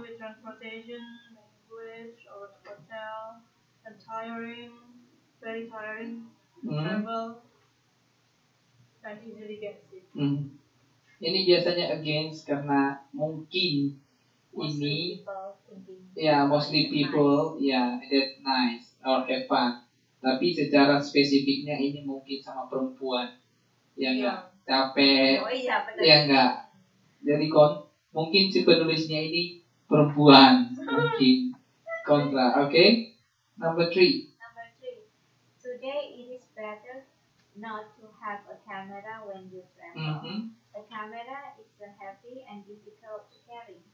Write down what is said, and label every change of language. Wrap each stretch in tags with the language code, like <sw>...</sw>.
<en>with transportation, language, or hotel, and tiring, very tiring to travel, and easily get sick. Hmm.</en> <id>Ini biasanya against karena mungkin ini ya</id> <en>mostly people ya that nice or have fun,</en> <id>tapi secara spesifiknya ini mungkin sama perempuan yang enggak capek ya enggak jadi mungkin si penulisnya ini perempuan mungkin kontra.</id> <en>Okay, number 3. Today it is better not to have a camera when you travel. A camera is a heavy and difficult to carry.</en>